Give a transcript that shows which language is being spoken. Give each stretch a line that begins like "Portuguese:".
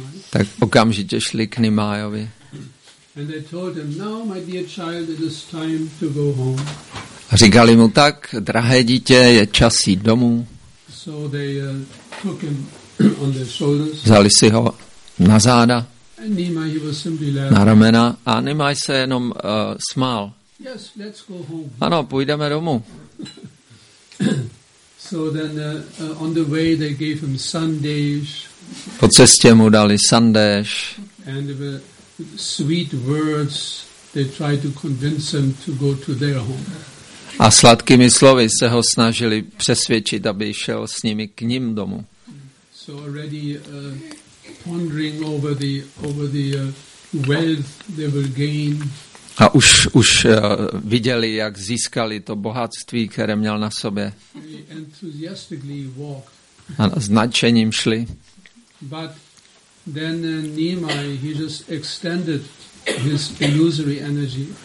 Czech: Tak okamžitě šli k Nimájovi.
English: And they told him, "Now, my dear child, it is time to go home."
Czech: A říkali mu tak, drahé dítě, je čas jít domů.
English: So they took him on their shoulders.
Czech: Vzali si ho na záda.
English: And Nimai, he was simply laughing.
Czech: Na ramena a Nimai se jenom smál.
English: Yes, let's go home.
Czech: Ano, půjdeme domů.
English: So then on the way they gave him sandesh.
Czech: Po cestě mu dali sandéš.
English: And sweet words they tried to convince him to go to their home.
Czech: A sladkými slovy se ho snažili přesvědčit, aby šel s nimi k ním domů.
English: So already pondering over the wealth they will gain.
Czech: A už viděli, jak získali to bohatství, které měl na sobě.
English: Enthusiastically walked.
Czech: A značením šli.
English: But then Nimai, he just extended his illusory energy.